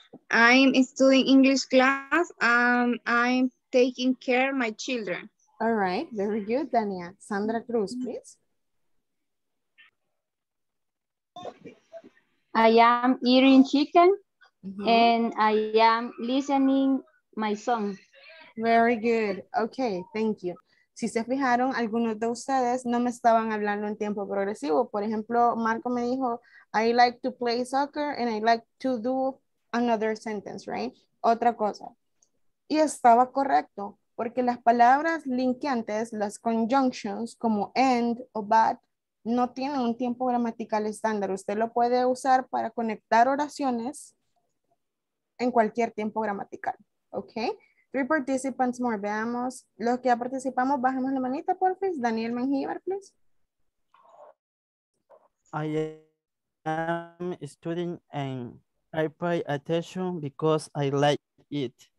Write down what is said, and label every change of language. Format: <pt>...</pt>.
<en>I'm studying English class. I'm taking care of my children. All right. Very good, Tania. Sandra Cruz, please. I am eating chicken and I am listening my song. Very good. Okay, thank you.</en> <es>Si se fijaron, algunos de ustedes no me estaban hablando en tiempo progresivo. Por ejemplo, Marco me dijo,</es> <en>I like to play soccer and I like to do another sentence, right?</en> <es>Otra cosa. Y estaba correcto, porque las palabras linkeantes, las conjunctions como and o but, no tiene un tiempo gramatical estándar. Usted lo puede usar para conectar oraciones en cualquier tiempo gramatical. Ok.</es> <en>Three participants more.</en> <es>Veamos. Los que ya participamos, bajemos la manita, por favor.</es> <en>Daniel Mengíbar, please. I am studying and I pay attention because I like it.</en>